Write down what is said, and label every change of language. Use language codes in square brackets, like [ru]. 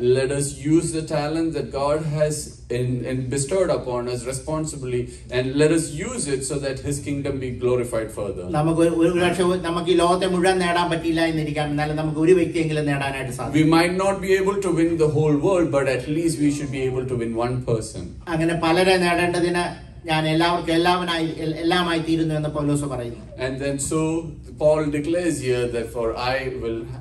[en] Let us use the talent that God has bestowed upon us responsibly and let us use it so that his kingdom be glorified further. [ml] നമുക്ക് ഈ ലോകത്തെ മുഴുവൻ നേടാൻ പറ്റില്ല എന്നിരിക്കാം, എന്നാലും നമുക്ക് ഒരു വ്യക്തിയെങ്കിലും നേടാനായിട്ട് സാധിക്കും. [en] We might not be able to win the whole world but at least we should be able to win one person. [ml] അങ്ങനെ പലരെ നേടേണ്ടതിന് ഞാൻ എല്ലാവർക്കും എല്ലാവനായി എല്ലാമായി തീരുന്നു എന്ന് പൗലോസ് പറയുന്നു. [en] And then so Paul declares here that for I will